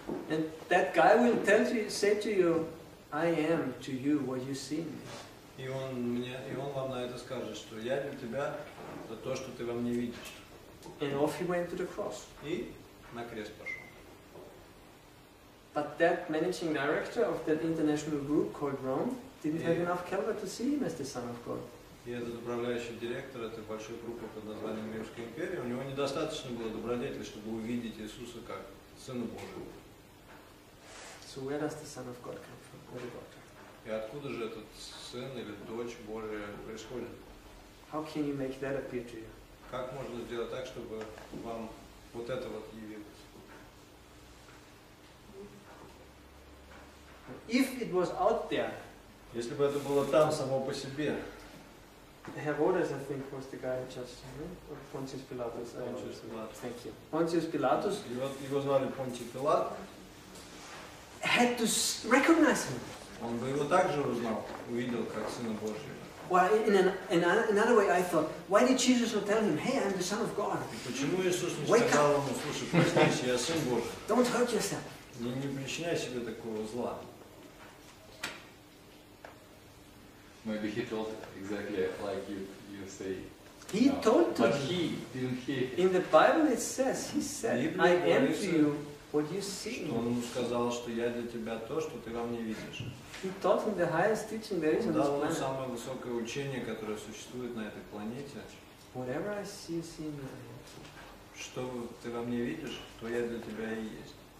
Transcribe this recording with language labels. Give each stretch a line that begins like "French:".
English: And that guy will tell you, say to you, I am to you what you see in me.
Russian: И он мне, и он вам на это скажет, что я для тебя за то, что ты во мне видишь.
English: And off he went to the cross.
Russian: И на крест пошел.
English: But that managing director of that international group called Rome didn't have enough caliber to see him as the son of God.
Russian: И этот управляющий директор этой большой группы под названием Римская империя, у него недостаточно было добродетели, чтобы увидеть Иисуса как Сына Божьего.
English: So where does the Son of God come from? What about?
Russian: И откуда же этот сын или дочь Божия происходит?
English: How can you make that appear to you?
Russian: Как можно сделать так, чтобы вам вот это вот явилось?
English: If it was out there,
Russian: если бы это было там само по себе.
English: Herodes, I think, was the guy just, or Pontius Pilatus. Pontius Pilatus. Thank you. Pontius Pilatus.
Russian: Его звали Понтий Пилат.
English: Had to recognize him.
Russian: Он бы его также узнал, увидел как Сына Божьего.
English: Well, in another way, I thought, why did Jesus not tell him, "Hey, I'm the Son of God"?
Russian: Почему Иисус не сказал ему, слушай, проснись, я Сын Божий?
English: Don't hurt yourself.
Russian: Не причиняй себе такого зла.
English: Maybe he told exactly like you say. He told to him. But he didn't hear. In the Bible, it says he said, "I am to you what you see."
Russian: Что он сказал, что я для тебя то, что ты во мне видишь.
English: He taught him the highest teaching there is on this planet.
Russian: Самое высокое учение, которое существует на этой планете.
English: Whatever I see, see me.
Russian: Что ты во мне видишь, то я для тебя и есть.